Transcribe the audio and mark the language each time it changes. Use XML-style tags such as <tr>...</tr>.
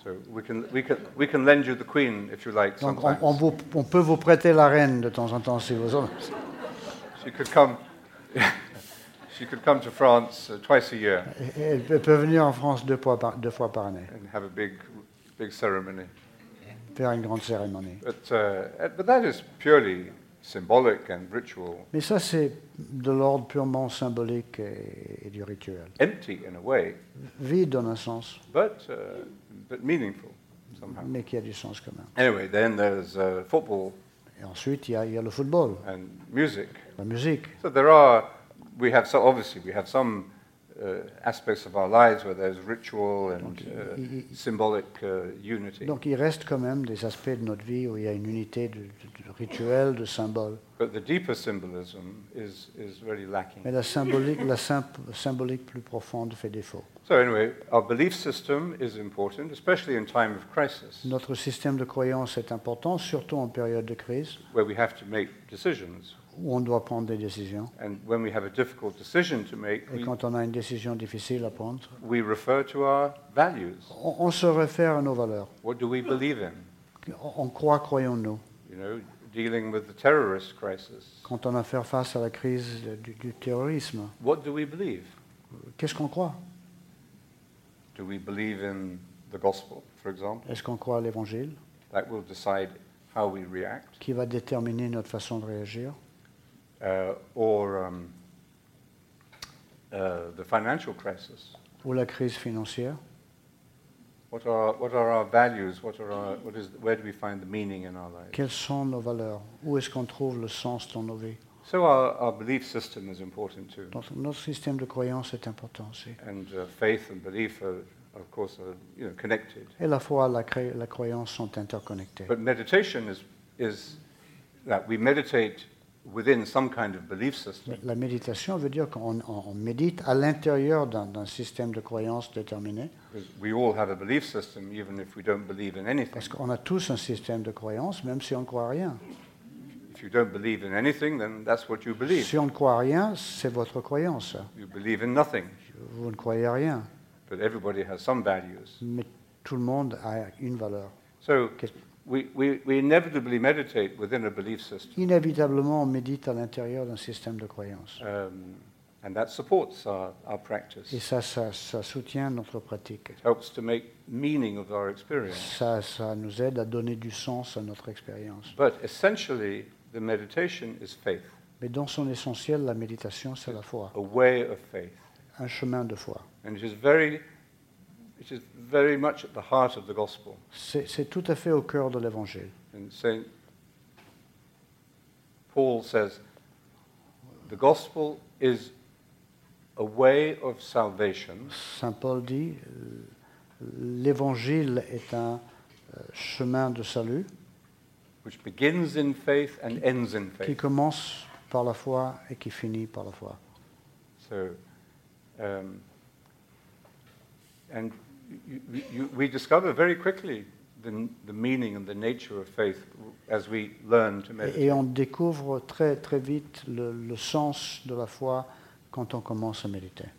<en>So we can lend you the queen if you like.</en> <fr>Donc on peut vous prêter la reine de temps en temps si vous voulez.</fr> <en>She could come to France twice a year.</en> <fr>Elle peut venir en France deux fois par année.</fr> <en>And have a big ceremony.</en> <fr>Faire une grande cérémonie.</fr> <en>But that is purely symbolic and ritual.</en> <fr>Mais ça, c'est de l'ordre purement symbolique et du rituel.</fr> <en>Empty in a way.</en> <fr>Vide dans un sens.</fr> <en>But meaningful somehow.</en> <fr>Mais qui a du sens quand même.</fr> <en>Anyway, then there's football.</en> <fr>Et ensuite, il y a le football.</fr> <en>And music.</en> <fr>La musique.</fr> <en>So there are, we have so obviously we have some aspects of our lives where there's ritual and symbolic unity.</en> <fr>Donc il reste quand même des aspects de notre vie où il y a une unité de rituel, de symbole.</fr> <en>But the deeper symbolism is really lacking.</en> <fr>Mais la symbolique plus profonde fait défaut.</fr> <en>So anyway, our belief system is important, especially in time of crisis.</en> <fr>Notre système de croyance est important, surtout en période de crise.</fr> <en>Where we have to make decisions.</en> <fr>Où on doit prendre des décisions.</fr> <en>And when we have a difficult decision to make,</en> <fr>et quand on a une décision difficile à prendre,</fr> <en>we refer to our values.</en> <fr>On se réfère à nos valeurs.</fr> <en>What do we believe in?</en> <fr>En quoi croyons-nous?</fr> <en>You know, dealing with the terrorist crisis.</en> <fr>Quand on a fait face à la crise du terrorisme,</fr> <en>what do we believe?</en> <fr>Qu'est-ce qu'on croit?</fr> <en>Do we believe in the gospel, for example?</en> <fr>Est-ce qu'on croit à l'évangile?</fr> <en>That will decide how we react.</en> <fr>Qui va déterminer notre façon de réagir?</fr> <en>The financial crisis.</en> <fr>Ou la crise financière.</fr> <en>What are our values? Where do we find the meaning in our lives?</en> <fr>Quelles sont nos valeurs? Où est-ce qu'on trouve le sens dans nos vies?</fr> <en>So our belief system is important too.</en> <fr>Donc notre système de croyance est important aussi.</fr> <en>And faith and belief are, of course, you know, connected.</en> <fr>Et la foi, la croyance sont interconnectées.</fr> <en>But meditation is that we meditate within some kind of belief system.</en> <fr>La méditation veut dire qu'on médite à l'intérieur d'un système de croyance déterminé.</fr> <en>We all have a belief system, even if we don't believe in anything.</en> <fr>Parce qu'on a tous un système de croyance, même si on ne croit à rien.</fr> <en>If you don't believe in anything, then that's what you believe.</en> <fr>Si on ne croit à rien, c'est votre croyance.</fr> <en>You believe in nothing.</en> <fr>Vous ne croyez à rien.</fr> <en>But everybody has some values.</en> <fr>Mais tout le monde a une valeur.</fr> <en>So, We inevitably meditate within a belief system.</en> <fr>Inévitablement, on médite à l'intérieur d'un système de croyance.</fr> <en>And that supports our practice.</en> <fr>Et ça soutient notre pratique.</fr> <en>It helps to make meaning of our experience.</en> <fr>Ça nous aide à donner du sens à notre expérience.</fr> <en>But essentially, the meditation is faith.</en> <fr>Mais dans son essentiel, la méditation, c'est la foi.</fr> <en>A way of faith.</en> <fr>Un chemin de foi.</fr> <en>And it is very much at the heart of the gospel.</en> <fr>C'est tout à fait au cœur de l'évangile.</fr> <en>And Saint Paul says, the gospel is a way of salvation.</en> <fr>Saint Paul dit, l'évangile est un chemin de salut.</fr> <en>Which begins in faith and ends in faith.</en> <fr>Qui commence par la foi et qui finit par la foi.</fr> <en>So, and we discover very quickly the meaning and the nature of faith as we learn to meditate.</en> <fr>Et on découvre très très vite le sens de la foi quand on commence à méditer.</fr>